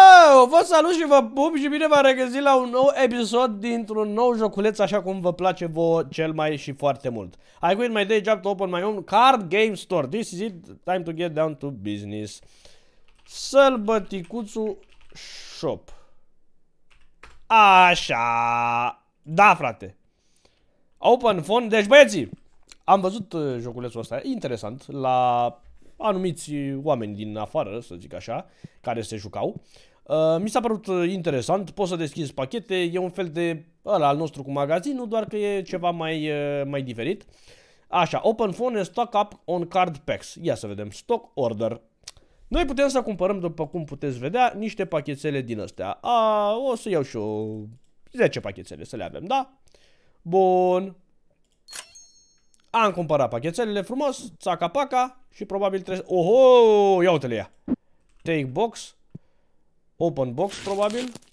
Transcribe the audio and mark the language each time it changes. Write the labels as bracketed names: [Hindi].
[Romanian] Eu vă salut și vă pup și bine v-am regăsit la un nou episod dintr-un nou joculeț așa cum vă place vouă cel mai și foarte mult. [English] I quit my day job to open my own card game store. This is it, time to get down to business. [Romanian] Sălbăticuțu shop. Așa. Da, frate. [English] Open phone. [Romanian] Deci, băieții, am văzut joculețul ăsta interesant la anumiți oameni din afară, să zic așa, care se jucau. Mi s-a părut interesant, poți să deschizi pachete, e un fel de ăla al nostru cu magazinul, doar că e ceva mai diferit. Așa, [English] open phone, stock up on card packs. [Romanian] Ia să vedem, [English] stock order. [Romanian] Noi putem să cumpărăm, după cum puteți vedea, niște pachetele din astea. O să iau și eu 10 pachetele să le avem, da? Bun. Am cumpărat pachetele frumos, țaca-paca și probabil trebuie să... Oho, ia uite-le ea. [English] Take box. Open box, [Romanian] probabil.